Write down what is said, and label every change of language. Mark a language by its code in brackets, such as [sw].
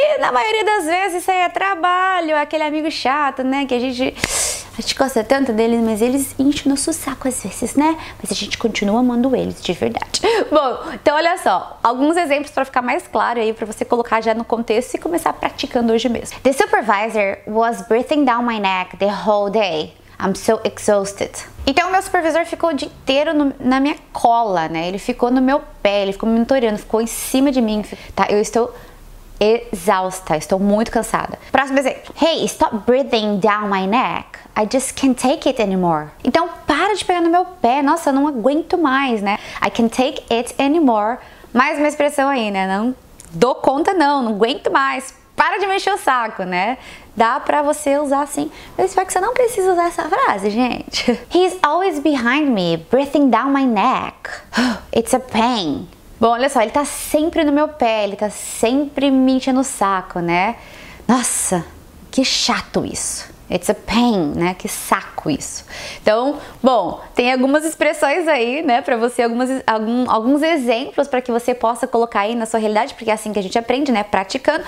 [pt] E, na maioria das vezes, isso aí é trabalho. É aquele amigo chato, né? Que a gente gosta tanto deles, mas eles enchem o nosso saco às vezes, né? Mas a gente continua amando eles, de verdade. Bom, então olha só, alguns exemplos para ficar mais claro aí, para você colocar já no contexto e começar praticando hoje mesmo. [en] The supervisor was breathing down my neck the whole day. I'm so exhausted. [pt] Então o meu supervisor ficou o dia inteiro na minha cola, né? Ele ficou no meu pé, ele ficou me monitorando, ficou em cima de mim. Tá, eu estou exausta, estou muito cansada. Próximo exemplo. [en] Hey, stop breathing down my neck. I just can't take it anymore. [pt] Então, para de pegar no meu pé. Nossa, eu não aguento mais, né? [en] I can't take it anymore. [pt] Mais uma expressão aí, né? Não dou conta, não. Não aguento mais. Para de mexer o saco, né? Dá pra você usar assim. Eu espero que você não precise usar essa frase, gente. [en] He's always behind me, breathing down my neck. It's a pain. [pt] Bom, olha só. Ele tá sempre no meu pé. Ele tá sempre me enchendo o saco, né? Nossa, que chato isso. [en] It's a pain, [pt] né? Que saco isso. Então, bom, tem algumas expressões aí, né? Pra você, alguns exemplos pra que você possa colocar aí na sua realidade, porque é assim que a gente aprende, né? Praticando.